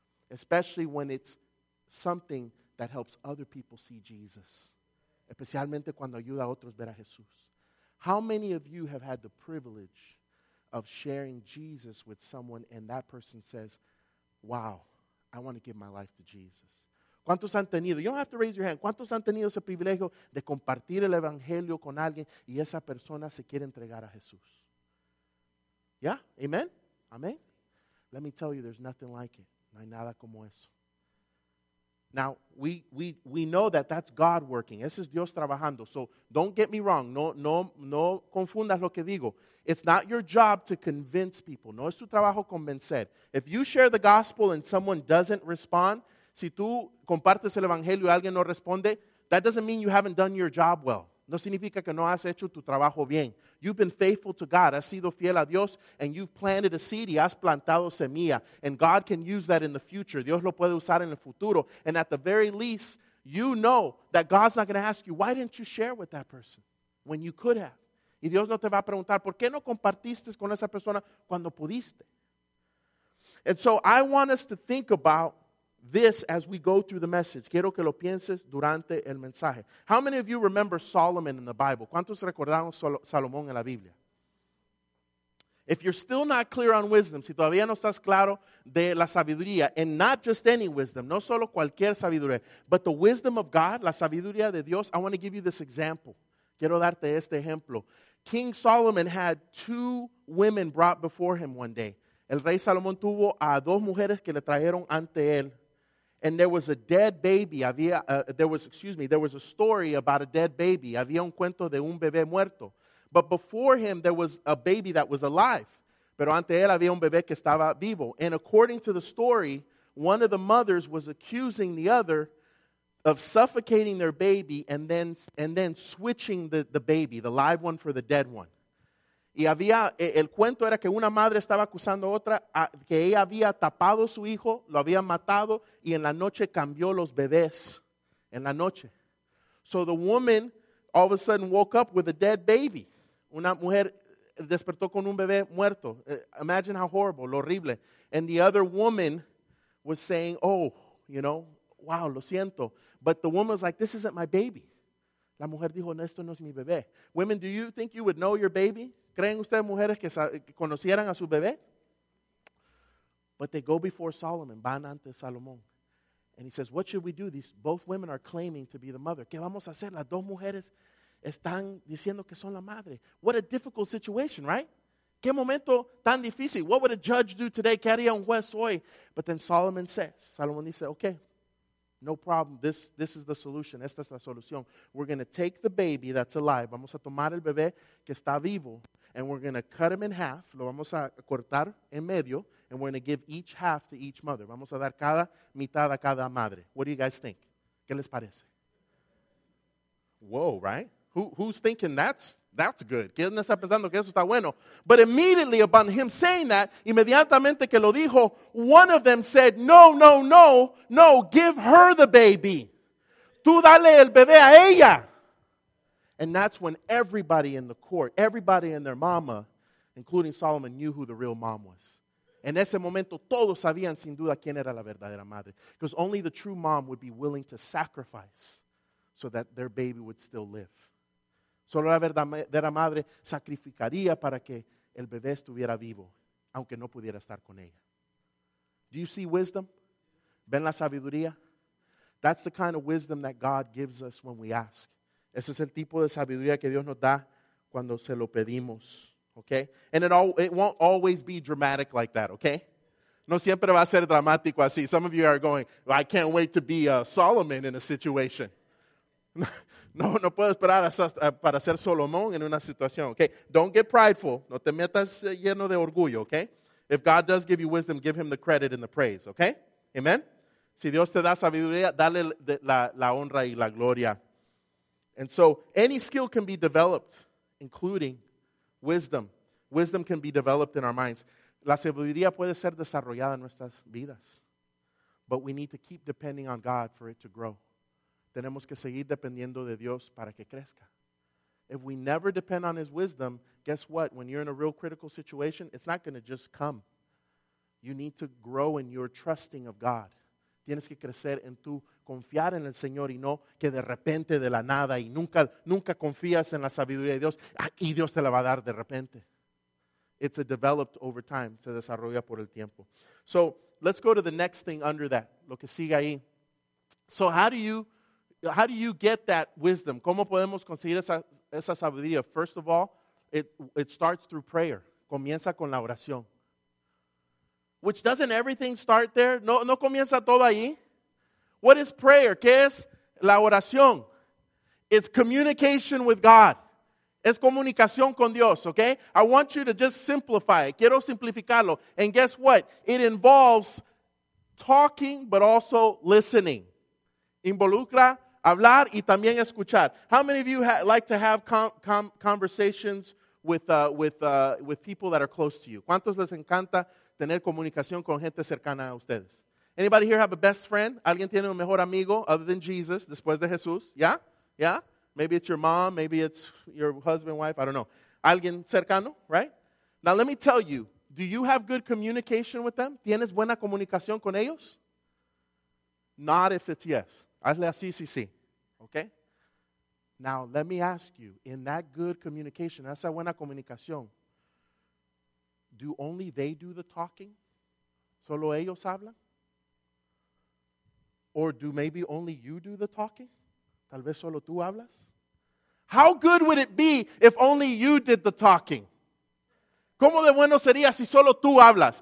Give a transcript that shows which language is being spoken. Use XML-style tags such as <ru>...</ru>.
<en>Especially when it's something that helps other people see Jesus.</en> <es>Especialmente cuando ayuda a otros ver a Jesús.</es> <en>How many of you have had the privilege of sharing Jesus with someone and that person says, wow, I want to give my life to Jesus?</en> <es>¿Cuántos han tenido?</es> <en>You don't have to raise your hand.</en> <es>¿Cuántos han tenido ese privilegio de compartir el evangelio con alguien y esa persona se quiere entregar a Jesús?</es> <en>Yeah? Amen? Amen? Let me tell you, there's nothing like it.</en> <es>No hay nada como eso.</es> <en>Now, we know that that's God working.</en> <es>Ese es Dios trabajando.</es> <en>So, don't get me wrong.</en> <es>No confundas lo que digo.</es> <en>It's not your job to convince people.</en> <es>No es tu trabajo convencer.</es> <en>If you share the gospel and someone doesn't respond,</en> <es>si tú compartes el evangelio y alguien no responde,</es> <en>that doesn't mean you haven't done your job well. No significa que no has hecho tu trabajo bien. You've been faithful to God.</en> <es>Has sido fiel a Dios.</es> <en>And you've planted a seed</en> <es>y has plantado semilla.</es> <en>And God can use that in the future.</en> <es>Dios lo puede usar en el futuro.</es> <en>And at the very least, you know that God's not going to ask you, why didn't you share with that person when you could have?</en> <es>Y Dios no te va a preguntar, ¿por qué no compartiste con esa persona cuando pudiste?</es> <en>And so I want us to think about this as we go through the message.</en> <es>Quiero que lo pienses durante el mensaje.</es> <en>How many of you remember Solomon in the Bible?</en> <es>¿Cuántos recordaron Salomón en la Biblia?</es> <en>If you're still not clear on wisdom,</en> <es>si todavía no estás claro de la sabiduría,</es> <en>and not just any wisdom,</en> <es>no solo cualquier sabiduría,</es> <en>but the wisdom of God,</en> <es>la sabiduría de Dios,</es> <en>I want to give you this example.</en> <es>Quiero darte este ejemplo.</es> <en>King Solomon had two women brought before him one day.</en> <es>El rey Salomón tuvo a dos mujeres que le trajeron ante él.</es> <en>And there was a dead baby. There was a story about a dead baby.</en> <es>Había un cuento de un bebé muerto.</es> <en>But before him, there was a baby that was alive.</en> <es>Pero ante él había un bebé que estaba vivo.</es> <en>And according to the story, one of the mothers was accusing the other of suffocating their baby and then switching the baby, the live one for the dead one.</en> <es>Y había, el cuento era que una madre estaba acusando a otra que ella había tapado su hijo, lo había matado, y en la noche cambió los bebés. En la noche.</es> <en>So the woman all of a sudden woke up with a dead baby.</en> <es>Una mujer despertó con un bebé muerto.</es> <en>Imagine how horrible,</en> <es>lo horrible.</es> <en>And the other woman was saying, oh, you know, wow,</en> <es>lo siento.</es> <en>But the woman was like, this isn't my baby.</en> <es>La mujer dijo, no, esto no es mi bebé.</es> <en>Women, do you think you would know your baby?</en> <es>¿Creen ustedes, mujeres, que conocieran a su bebé?</es> <en>But they go before Solomon,</en> <es>van ante Salomón.</es> <en>And he says, what should we do? These both women are claiming to be the mother.</en> <es>¿Qué vamos a hacer? Las dos mujeres están diciendo que son la madre.</es> <en>What a difficult situation, right?</en> <es>¿Qué momento tan difícil?</es> <en>What would a judge do today?</en> <es>¿Qué haría un juez hoy?</es> <en>But then Solomon says,</en> <es>Salomón dice,</es> <en>okay, no problem. This is the solution.</en> <es>Esta es la solución.</es> <en>We're going to take the baby that's alive.</en> <es>Vamos a tomar el bebé que está vivo.</es> <en>And we're going to cut him in half.</en> <es>Lo vamos a cortar en medio.</es> <en>And we're going to give each half to each mother.</en> <es>Vamos a dar cada mitad a cada madre.</es> <en>What do you guys think?</en> <es>¿Qué les parece?</es> <en>Whoa, right? Who's thinking that's good?</en> <es>¿Quién está pensando que eso está bueno?</es> <en>But immediately upon him saying that,</en> <es>inmediatamente que lo dijo,</es> <en>one of them said, no, no, no, no, give her the baby.</en> <es>Tú dale el bebé a ella.</es> <en>And that's when everybody in the court, everybody and their mama, including Solomon, knew who the real mom was.</en> <es>En ese momento, todos sabían sin duda quién era la verdadera madre.</es> <en>Because only the true mom would be willing to sacrifice so that their baby would still live.</en> <es>Solo la verdadera madre sacrificaría para que el bebé estuviera vivo, aunque no pudiera estar con ella.</es> <en>Do you see wisdom?</en> <es>¿Ven la sabiduría?</es> <en>That's the kind of wisdom that God gives us when we ask.</en> <es>Ese es el tipo de sabiduría que Dios nos da cuando se lo pedimos, ¿okay?</es> <en>And it won't always be dramatic like that, ¿okay?</en> <es>No siempre va a ser dramático así.</es> <en>Some of you are going, well, I can't wait to be Solomon in a situation.</en> <es>No puedo esperar para ser Salomón en una situación, ¿okay?</es> <en>Don't get prideful.</en> <es>No te metas lleno de orgullo, ¿okay?</es> <en>If God does give you wisdom, give him the credit and the praise, okay? Amen?</en> <es>Si Dios te da sabiduría, dale la honra y la gloria.</es> <en>And so any skill can be developed, including wisdom. Wisdom can be developed in our minds.</en> <es>La sabiduría puede ser desarrollada en nuestras vidas.</es> <en>But we need to keep depending on God for it to grow.</en> <es>Tenemos que seguir dependiendo de Dios para que crezca.</es> <en>If we never depend on his wisdom, guess what? When you're in a real critical situation, it's not going to just come. You need to grow in your trusting of God.</en> <es>Tienes que crecer en tu confiar en el Señor y no que de repente de la nada y nunca confías en la sabiduría de Dios y Dios te la va a dar de repente.</es> <en>It's a developed over time.</en> <es>Se desarrolla por el tiempo.</es> <en>So let's go to the next thing under that.</en> <es>Lo que sigue ahí.</es> <en>So how do you get that wisdom?</en> <es>¿Cómo podemos conseguir esa sabiduría?</es> <en>First of all, it starts through prayer.</en> <es>Comienza con la oración.</es> <en>Which doesn't everything start there?</en> <es>No comienza todo ahí.</es> <en>What is prayer?</en> <es>¿Qué es la oración?</es> <en>It's communication with God.</en> <es>Es comunicación con Dios, okay?</es> <en>I want you to just simplify it.</en> <es>Quiero simplificarlo.</es> <en>And guess what? It involves talking, but also listening.</en> <es>Involucra hablar y también escuchar.</es> <en>How many of you like to have conversations with people that are close to you?</en> <es>¿Cuántos les encanta tener comunicación con gente cercana a ustedes?</es> <en>Anybody here have a best friend?</en> <es>¿Alguien tiene un mejor amigo</es> <en>other than Jesus,</en> <es>después de Jesús? ¿Ya? ¿Ya?</es> <en>Maybe it's your mom, maybe it's your husband, wife, I don't know.</en> <es>¿Alguien cercano,</es> <en>right? Now let me tell you, do you have good communication with them?</en> <es>¿Tienes buena comunicación con ellos?</es> <en>Not if it's yes.</en> <es>Hazle así, sí, sí. Okay?</es> <en>Now let me ask you, in that good communication,</en> <es>esa buena comunicación,</es> <en>do only they do the talking?</en> <es>¿Solo ellos hablan?</es> <en>Or do maybe only you do the talking?</en> <es>¿Tal vez solo tú hablas?</es> <en>How good would it be if only you did the talking?</en> <es>¿Cómo de bueno sería si solo tú hablas?</es>